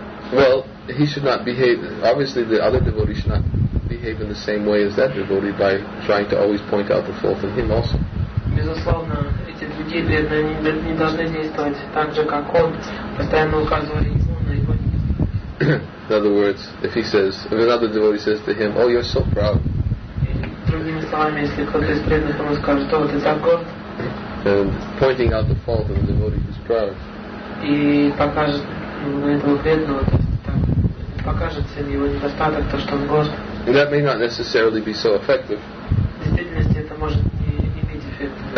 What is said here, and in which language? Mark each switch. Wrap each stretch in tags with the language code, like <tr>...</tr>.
<en>Well, he should not behave, obviously the other devotee should not behave in the same way as that devotee by trying to always point out the fault in him also.</en> <ru>Безусловно, эти другие бедные не должны действовать так же, как он, постоянно указывая ему на его недостатки.</ru> <en>In other words, if another devotee says to him, "Oh, you're so proud."</en> <ru>Другими словами, если кто-то из преданных ему скажет, "Oh, ты так горд."</ru> <en>And pointing out the fault of the devotee who's proud.</en> <ru>И покажет на этого бедного, покажет всем его недостаток, то, что он горд.</ru> <en>And that may not necessarily be so effective.</en> <ru>В действительности это может не иметь эффекта.</ru>